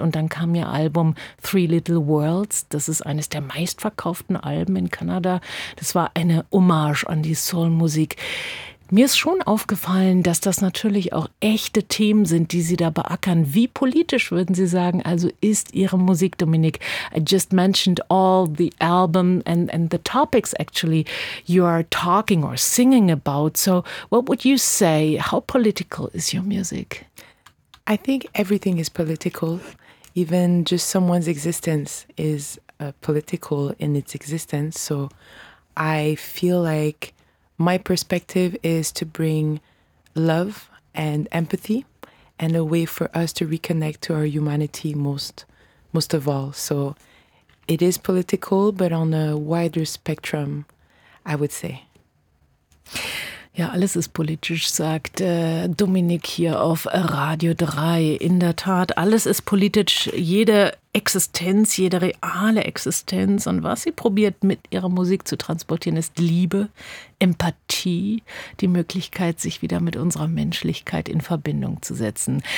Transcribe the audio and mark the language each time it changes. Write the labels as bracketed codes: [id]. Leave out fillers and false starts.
[de] Und dann kam ihr Album Three Little Worlds. Das ist eines der meistverkauften Alben in Kanada. Das war eine Hommage an die Soulmusik. Mir ist schon aufgefallen, dass das natürlich auch echte Themen sind, die Sie da beackern. Wie politisch würden Sie sagen, also ist Ihre Musik, Dominik? [en] I just mentioned all the album and the topics actually you are talking or singing about. So what would you say? How political is your music? I think everything is political. Even just someone's existence is political in its existence. So I feel like my perspective is to bring love and empathy and a way for us to reconnect to our humanity most of all. So it is political, but on a wider spectrum, I would say. [de] Ja, alles ist politisch, sagt Dominik hier auf Radio 3. In der Tat, alles ist politisch, jede Existenz, jede reale Existenz. Und was sie probiert mit ihrer Musik zu transportieren, ist Liebe, Empathie, die Möglichkeit, sich wieder mit unserer Menschlichkeit in Verbindung zu setzen.